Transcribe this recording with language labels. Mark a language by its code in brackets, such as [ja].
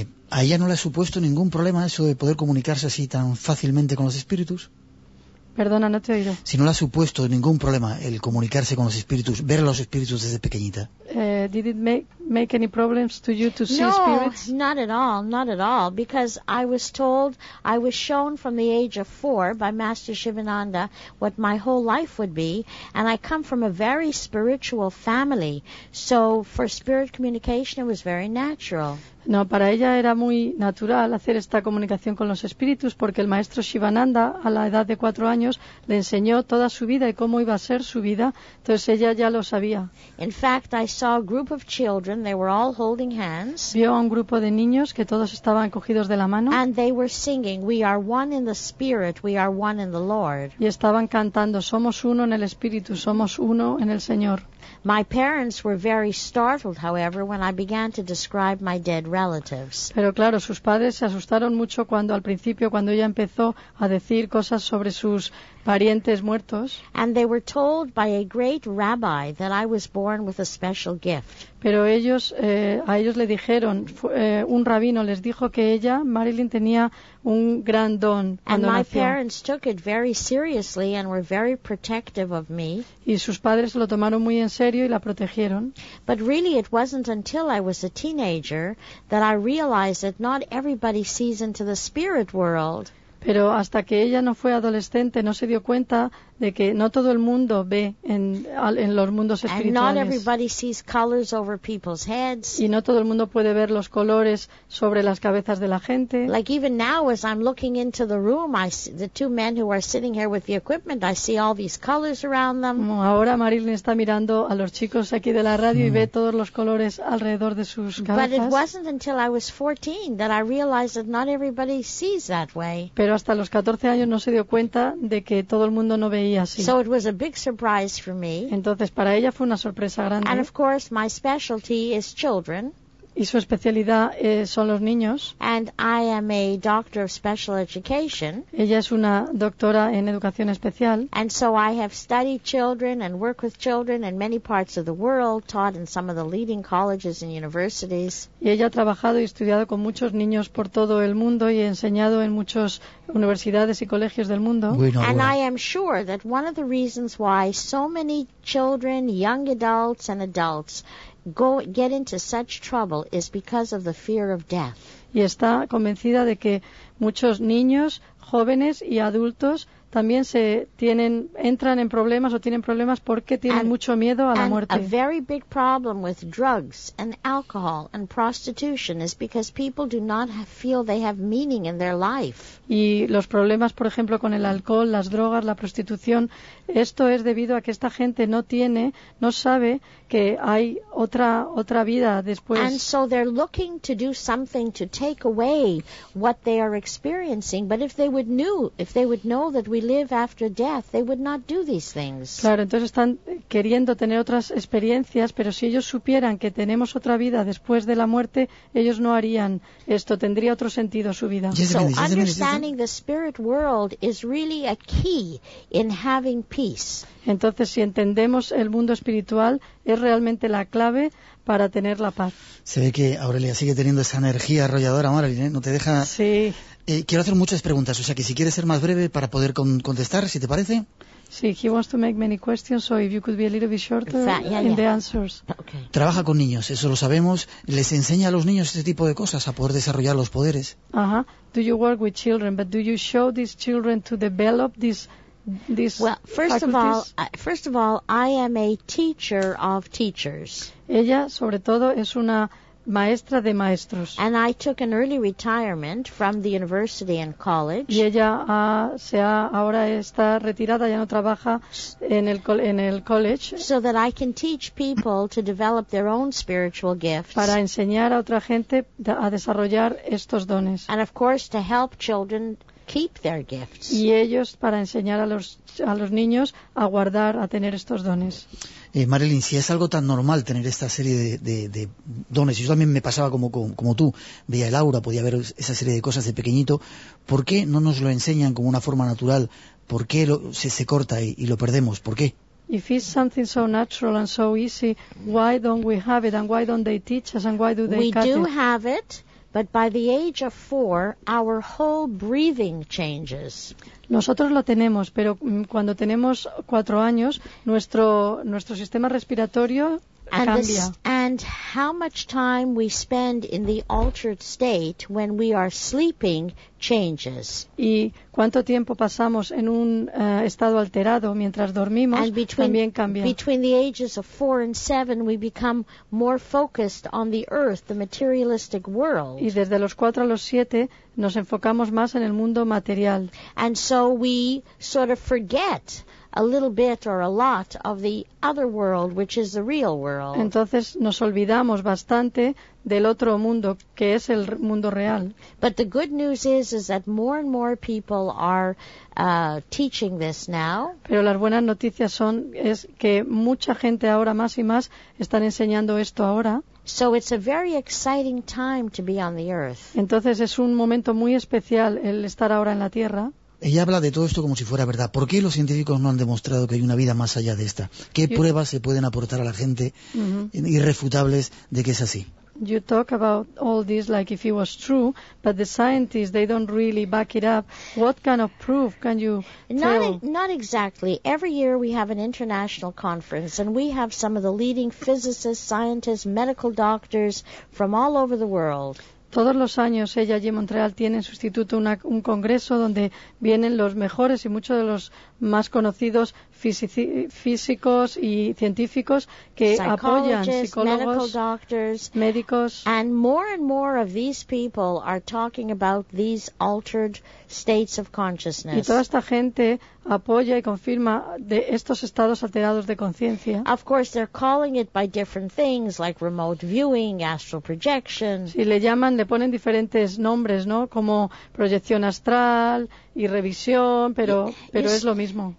[es] ¿A ella no le ha supuesto ningún problema eso de poder comunicarse así tan fácilmente con los espíritus? Perdona, no te he oído. Si no le ha supuesto ningún problema el comunicarse con los espíritus, ver a los espíritus desde pequeñita. [en] Did it make any problems to you to see spirits? No, not at all, not at all. Because I was shown from the age of 4 by Master Shivananda what my whole life would be. And I come from a very spiritual family. So for spirit communication it was very natural. [es] No, para ella era muy natural hacer esta comunicación con los espíritus porque el maestro Shivananda, a la edad de 4 años, le enseñó toda su vida y cómo iba a ser su vida. Entonces ella ya lo sabía. [en] In fact, I saw a group of children. They were all holding hands. [es] Vio a un grupo de niños que todos estaban cogidos de la mano. [en] And they were singing, "We are one in the Spirit, we are one in the Lord." [es] Y estaban cantando, "Somos uno en el Espíritu, somos uno en el Señor." [en] My parents were very startled, however, when I began to describe my dead relatives. [es] Pero claro, sus padres se asustaron mucho cuando ella empezó a decir cosas sobre sus parientes muertos. [en] And they were told by a great rabbi that I was born with a special gift. [es] Pero ellos, a ellos le dijeron, un rabino les dijo que ella, Marilyn, tenía un gran don cuando nació. [en] my parents took it very seriously and were very protective of me. [es] Y sus padres lo tomaron muy en serio y la protegieron. [en] But really it wasn't until I was a teenager that I realized that not everybody sees into the spirit world. [es] Pero hasta que ella no fue adolescente, no se dio cuenta de que no todo el mundo ve en los mundos espirituales. [en] And not everybody sees colors over people's heads. [es] Y no todo el mundo puede ver los colores sobre las cabezas de la gente. [en] Like even now as I'm looking into the room, I see the two men who are sitting here with the equipment, I see all these colors around them. [es] Ahora Marilyn está mirando a los chicos aquí de la radio y ve todos los colores alrededor de sus cabezas. [en] But it wasn't until I was 14 that I realized that not everybody sees that way. [es] Pero hasta los 14 años no se dio cuenta de que todo el mundo no veía así. [en] So it was a big surprise for me. [es] Entonces, para ella fue una sorpresa grande. [en] And of course, my specialty is children. [es] Y su especialidad son los niños. [en] And I am a doctor of special education. [es] Ella es una doctora en educación especial. [en] And so I have studied children and work with children in many parts of the world, taught in some of the leading colleges and universities. [es] Y ella ha trabajado y estudiado con muchos niños por todo el mundo y enseñado en muchas universidades y colegios del mundo. [en] And I am sure that one of the reasons why so many children, young adults and adults get into such trouble is because of the fear of death. [es] Y está convencida de que muchos niños, jóvenes y adultos también se tienen, entran en problemas o tienen problemas porque tienen mucho miedo a la muerte. [en] A very big problem with drugs and alcohol and prostitution is because people do not feel they have meaning in their life. [es] Y los problemas, por ejemplo, con el alcohol, las drogas, la prostitución, esto es debido a que esta gente no tiene, no sabe que hay otra vida después. [en] And so they're looking to do something to take away what they are experiencing, but if they would know that we live after death, they would not do these things. [es] Claro, entonces están queriendo tener otras experiencias, pero si ellos supieran que tenemos otra vida después de la muerte, ellos no harían esto, tendría otro sentido su vida. [en] Understanding the spirit world is really a key in having peace. [es] Entonces, si entendemos el mundo espiritual, es realmente la clave para tener la paz. Se ve que Aurelia sigue teniendo esa energía arrolladora, Marilyn, ¿eh? No te deja... Sí. Quiero hacer muchas preguntas, o sea, que si quieres ser más breve para poder contestar, si te parece. [en] Sí, he wants to make many questions, so if you could be a little bit shorter the answers. [es] Okay. Trabaja con niños, eso lo sabemos. ¿Les enseña a los niños este tipo de cosas, a poder desarrollar los poderes? Ajá. [en] Do you work with children, but do you show these children to develop these well, first of all, I am a teacher of teachers. [es] Ella, sobre todo, es una maestra de maestros. [en] And I took an early retirement from the university and college. [es] Y ella ahora está retirada, ya no trabaja en el college. [en] So that I can teach people to develop their own spiritual gifts. [es] Para enseñar a otra gente a desarrollar estos dones. [en] And of course to help children keep their gifts. [es] Y ellos para enseñar a los niños a guardar, a tener estos dones. Marilyn, si es algo tan normal tener esta serie de dones, yo también me pasaba como tú, veía el aura, podía ver esa serie de cosas de pequeñito, ¿por qué no nos lo enseñan como una forma natural? ¿Por qué se corta y lo perdemos? ¿Por qué? [en] If it's something so natural and so easy, why don't we have it and why don't they teach us and why do they cut it? We do have it, but by the age of 4, our whole breathing changes. [es] Nosotros lo tenemos, pero cuando tenemos 4 años, nuestro sistema respiratorio cambia. [en] And how much time we spend in the altered state when we are sleeping changes. [es] Y cuánto tiempo pasamos en un estado alterado mientras dormimos también cambia. [en] Between the ages of 4 and 7, we become more focused on the earth, the materialistic world. [es] Y desde los 4 a los 7 nos enfocamos más en el mundo material. [en] And so we sort of forget a little bit or a lot of the other world, which is the real world. [es] Entonces nos olvidamos bastante del otro mundo, que es el mundo real. [en] But the good news is that more and more people are teaching this now. [es] Pero las buenas noticias son es que mucha gente ahora más y más están enseñando esto ahora. [en] So it's a very exciting time to be on the earth. [es] Entonces es un momento muy especial el estar ahora en la Tierra. Ella habla de todo esto como si fuera verdad. ¿Por qué los científicos no han demostrado que hay una vida más allá de esta? ¿Qué pruebas se pueden aportar a la gente irrefutables de que es así? [en] You talk about all this like if it was true, but the scientists, they don't really back it up. What kind of proof can you tell? Not exactly. Every year we have an international conference, and we have some of the leading physicists, scientists, medical doctors from all over the world. [es] Todos los años ella allí en Montreal tiene en su instituto un congreso donde vienen los mejores y muchos de los más conocidos físicos y científicos que apoyan, psicólogos, [en] medical doctors, [es] médicos. [en] And more of these people are talking about these altered states of consciousness. [es] Y toda esta gente apoya y confirma de estos estados alterados de conciencia. [en] Of course, they're calling it by different things, like remote viewing, astral projection. [es] Sí, le ponen diferentes nombres, ¿no? Como proyección astral y revisión, pero es lo mismo.